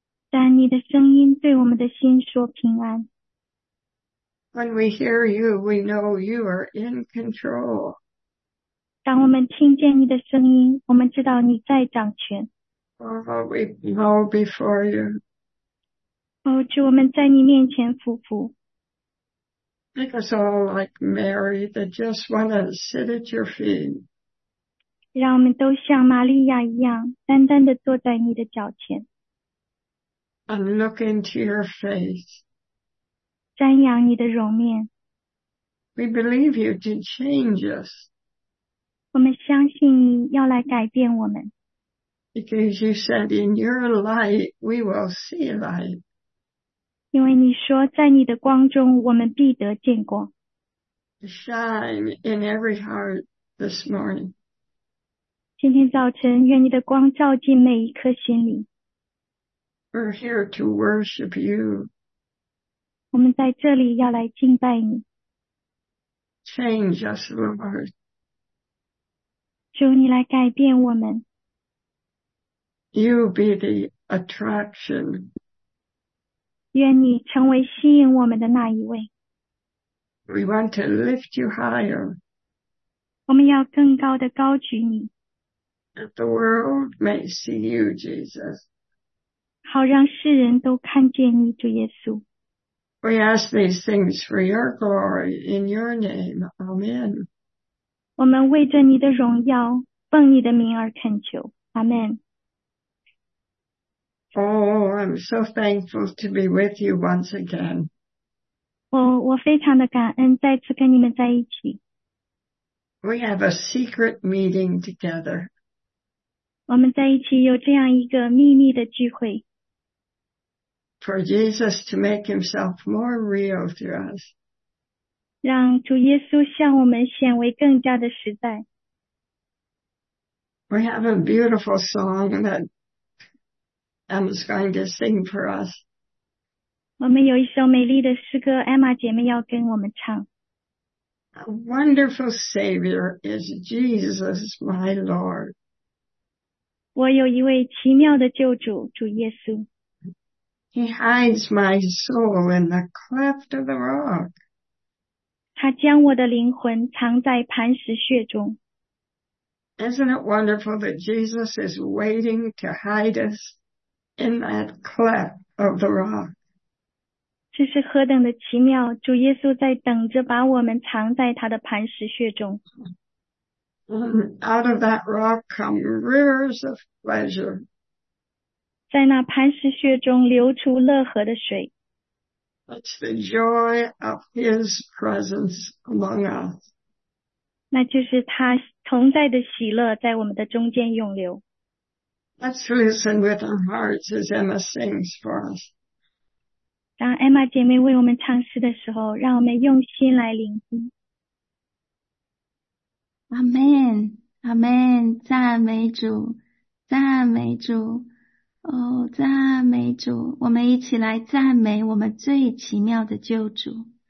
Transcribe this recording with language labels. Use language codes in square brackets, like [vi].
[zh] 但你的声音对我们的心说平安。 [en] When we hear you, we know you are in control. [zh] 当我们听见你的声音，我们知道你在掌权。 [en] Father, we bow before you. [zh] 哦，主，我们在你面前俯伏。 [en] Make us all like Mary that just want to sit at your feet. [zh] 让我们都像玛利亚一样，单单的坐在你的脚前。 [en] And look into your face. [zh] 瞻仰你的容面， [en] We believe you to change us. [zh] 我们相信你要来改变我们。 [en] Because you said, in your light, we will see light. [zh] 因为你说，在你的光中，我们必得见光。 [en] Shine in every heart this morning. [zh] 今天早晨，愿你的光照进每一颗心里。 [en] We're here to worship you. [zh] 我们在这里要来敬拜你， [en] Change us, Lord. [zh] 求你来改变我们， [en] You be the attraction. [zh] 愿你成为吸引我们的那一位， [en] We want to lift you higher. [zh] 我们要更高的高举你， [en] That the world may see you, Jesus. [zh] 好让世人都看见你，主耶稣。 [en] We ask these things for your glory in your name. Amen. [zh] 我们为着你的荣耀，奉你的名而恳求，阿门。 [en] Oh, I'm so thankful to be with you once again. [zh] 我非常的感恩，再次跟你们在一起。 [en] We have a secret meeting together. [zh] 我们在一起有这样一个秘密的聚会。 [en] For Jesus to make himself more real to us. [zh] 让主耶稣向我们显为更加的实在。 [en] We have a beautiful song that Emma's going to sing for us. [zh] 我们有一首美丽的诗歌，艾玛姐妹要跟我们唱。 [en] A wonderful Savior is Jesus, my Lord. [zh] 我有一位奇妙的救主，主耶稣。 [en] He hides my soul in the cleft of the rock. [zh] 他将我的灵魂藏在磐石穴中。 [en] Isn't it wonderful that Jesus is waiting to hide us in that cleft of the rock? [zh] 这是何等的奇妙，主耶稣在等着把我们藏在他的磐石穴中。 [en] Out of that rock come rivers of pleasure. [zh] 在那磐石穴中流出乐河的水。 [en] That's the joy of his presence among us. [zh] 那就是他同在的喜乐在我们的中间涌流。 [en] Let's listen with our hearts as Emma sings for us. [zh] 当 Emma 姐妹为我们唱诗的时候，让我们用心来聆听。 Amen, Amen, 赞美主，赞美主。哦，赞美主，我们一起来赞美我们最奇妙的救主。